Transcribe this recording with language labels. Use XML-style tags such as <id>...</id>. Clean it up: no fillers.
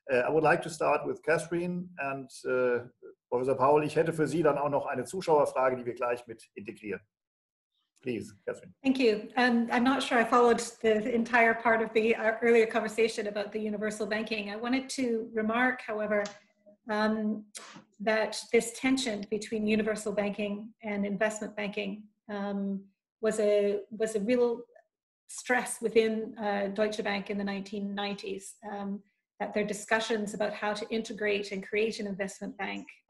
<en>I would like to start with Catherine and Professor Paul.</en> <de>Ich hätte für Sie dann auch noch eine Zuschauerfrage, die wir gleich mit integrieren.</de> <en>Please, Catherine. Thank you. I'm not sure I followed the entire part of the earlier conversation about the universal banking. I wanted to remark, however, that this tension between universal banking and investment banking was a real stress within Deutsche Bank in the 1990s, that their discussions about how to integrate and create an investment bank</en>